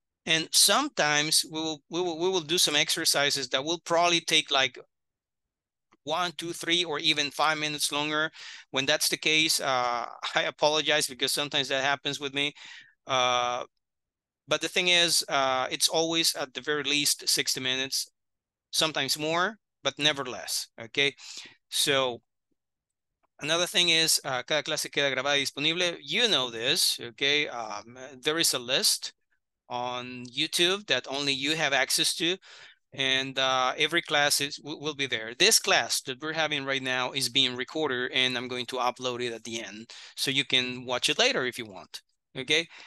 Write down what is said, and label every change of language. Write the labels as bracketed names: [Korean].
[English] And sometimes we will do some exercises that will probably take like 1, 2, 3, or even 5 minutes longer. When that's the case, I apologize because sometimes that happens with me. But the thing is, it's always at the very least 60 minutes. Sometimes more, but never less, okay? So another thing is, [Spanish] cada clase queda grabada y disponible. [English] You know this, okay? There is a list on YouTube that only you have access to, and every class will be there. This class that we're having right now is being recorded, and I'm going to upload it at the end, so you can watch it later if you want, okay?